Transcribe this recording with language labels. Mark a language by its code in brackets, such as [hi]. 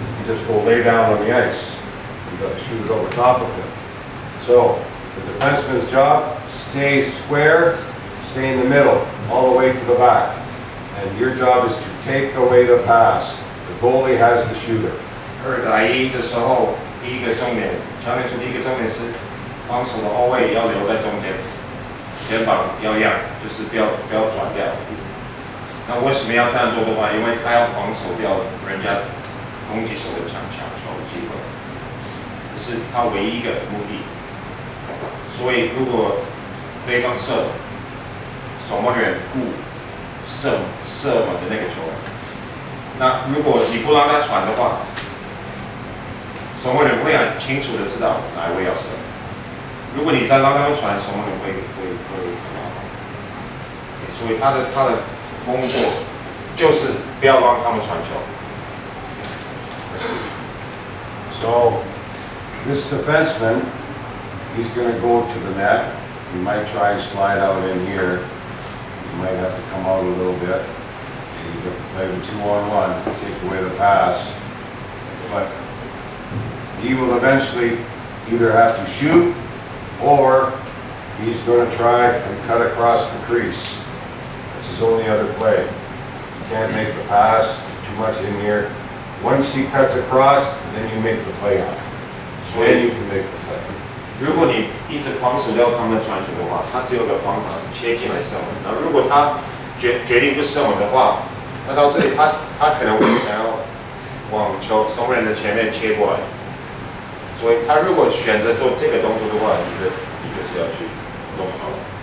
[en] You just go lay down on the ice. You got to shoot it over top of him. So, the defenseman's job, stay square, stay in the middle, all the way to the back. And your job is to take away the pass. The goalie has the shooter. Heard IE [zh] 第一个重点，教练说第一个重点是防守的后卫要留在中间，肩膀要压，就是不要转掉。那为什么要这样做的话？因为他要防守掉人家攻击手的抢球机会，这是他唯一一个目的。所以如果对方射守门员顾射门的那个球，那如果你不让他传的话，守门员会很清楚的知道哪位要射。如果你再让他们传，守门员会很麻烦。所以他的工作就是不要让他们传球。 [en] So this defenseman, he's going to go to the net. He might try and slide out in here. He might have to come out a little bit. And you have to play the 2-on-1, take away the pass. But he will eventually either have to shoot or he's going to try and cut across the crease. That's his only other play. He can't make the pass, too much in here. Once he cuts across, then you make the play on it. So then you can make the play. [zh] 如果你一直防守掉他们的传球的话，他只有个方法是切进来射门。那如果他决定不射门的话，那到这里他可能会想要往球守门员的前面切过来。所以他如果选择做这个动作的话，你就是要去弄好了。